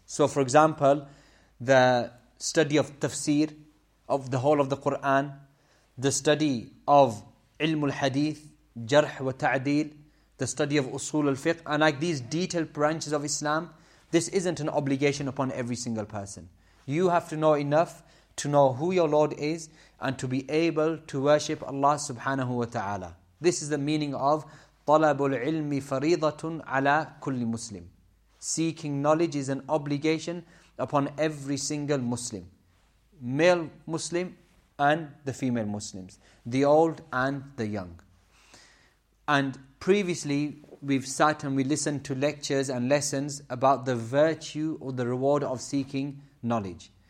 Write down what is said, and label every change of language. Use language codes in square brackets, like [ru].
[en] So for example, the study of tafsir, of the whole of the Quran, the study of ilmul hadith, jarh wa ta'deel, the study of usul al-fiqh, and like these detailed branches of Islam, this isn't an obligation upon every single person. You have to know enough to know who your Lord is and to be able to worship Allah subhanahu wa ta'ala. This is the meaning of [ar] طَلَبُ الْعِلْمِ فَرِيضَةٌ عَلَىٰ كُلِّ مُسْلِمٍ. [en] Seeking knowledge is an obligation upon every single Muslim. Male Muslim and the female Muslims. The old and the young. And previously we've sat and we listened to lectures and lessons about the virtue or the reward of seeking knowledge.